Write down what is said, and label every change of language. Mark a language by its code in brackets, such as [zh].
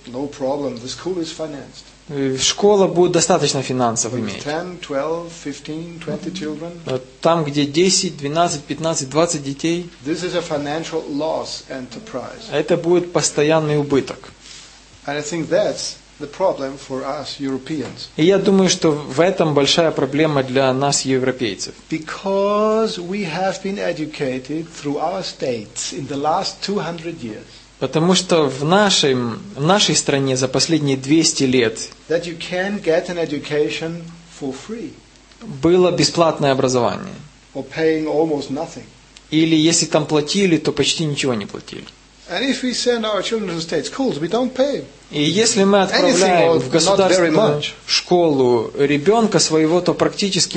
[en] no problem, the school is financed. [ru] Школа будет достаточно финансов иметь. [en] 10, 12, 15, 20 children, [ru] там, где 10, 12, 15, 20 детей, [en] this is a financial loss enterprise. [ru] Это будет постоянный убыток. [en] And I think that's the problem for us Europeans. [ru] И я думаю, что в этом большая проблема для нас, европейцев. [en] Because we have been educated through our states in the last 200 years. [ru] Потому что в нашей стране за последние 200 лет [en] that you can get an education for free. [ru] Было бесплатное образование. [en] Or paying almost nothing. [ru] Или если там платили, то почти ничего не платили. [en] And if we send our children to state schools, we don't pay. [ru] И если мы отправляем в государственную школу ребенка своего, то практически